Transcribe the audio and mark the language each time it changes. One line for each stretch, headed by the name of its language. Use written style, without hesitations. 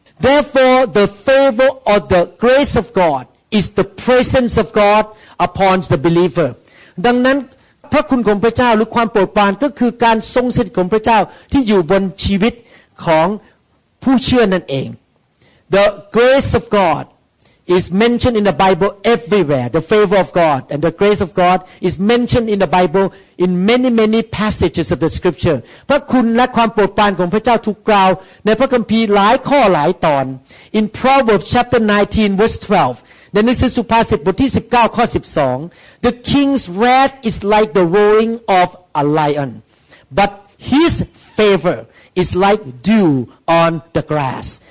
English: Therefore the favor or the grace of God is the presence of God upon the believer
Thai: ดังนั้นพระคุณของพระเจ้าหรือความโปรดปรานก็คือการทรงสถิตของพระเจ้าที่อยู่บนชีวิตของผู้เชื่อนั่นเอง
English: The grace of God is mentioned in the Bible everywhere. The favor of God and the grace of God is mentioned in the Bible in many, many passages of the scripture.
Thai: พระคุณและความโปรดปรานของพระเจ้าถูกกล่าวในพระคัมภีร์หลายข้อหลายตอน
English: In Proverbs chapter 19 verse 12,
Thai: ในหนังสือสุภาษิตบทที่19ข้อ12,
English: The king's wrath is like the roaring of a lion, but his favor is like dew on the grass.